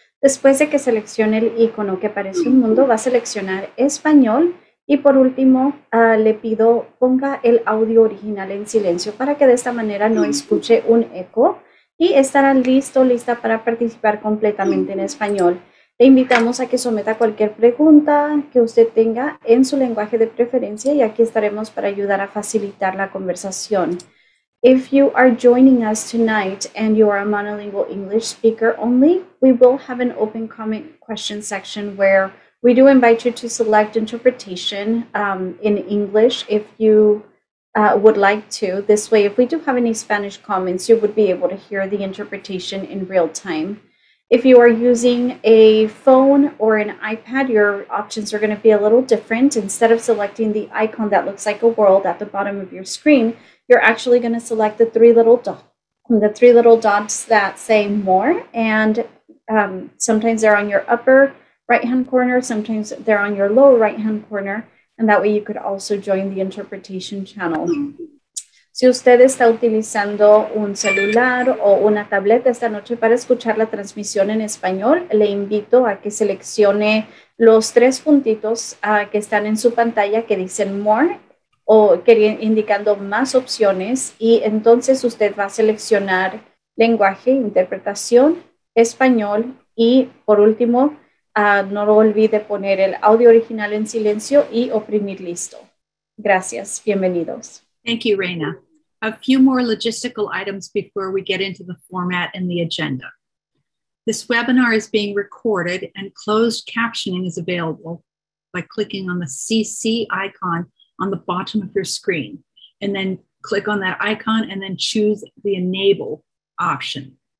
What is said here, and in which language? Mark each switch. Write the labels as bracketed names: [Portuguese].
[Spanish] Después de que seleccione el icono que parece un mundo, va a seleccionar español y por último le pido ponga el audio original en silencio para que de esta manera no escuche un eco y estará listo, lista para participar completamente en español. Le invitamos a que someta cualquier pregunta que usted tenga en su lenguaje de preferencia y aquí estaremos para ayudar a facilitar la conversación. [English] If you are joining us tonight and you are a monolingual English speaker only, we will have an open comment question section where we do invite you to select interpretation in English if you would like to. This way, if we do have any Spanish comments, you would be able to hear the interpretation in real time. If you are using a phone or an iPad, your options are going to be a little different. Instead of selecting the icon that looks like a world at the bottom of your screen, you're actually going to select the three little dots that say more. And sometimes they're on your upper right-hand corner, sometimes they're on your lower right-hand corner. And that way you could also join the interpretation channel. [Spanish] Si usted está utilizando un celular o una tableta esta noche para escuchar la transmisión en español, le invito a que seleccione los tres puntitos que están en su pantalla que dicen More o indicando más opciones y entonces usted va a seleccionar lenguaje, interpretación, español y por último, no lo olvide poner el audio original en silencio y oprimir listo. Gracias, bienvenidos. [English] Thank you, Reina. A few more logistical items before we get into the format and the agenda. This webinar is being recorded and closed captioning is available by clicking on the CC icon on the bottom of your screen, and then click on that icon and then choose the enable option.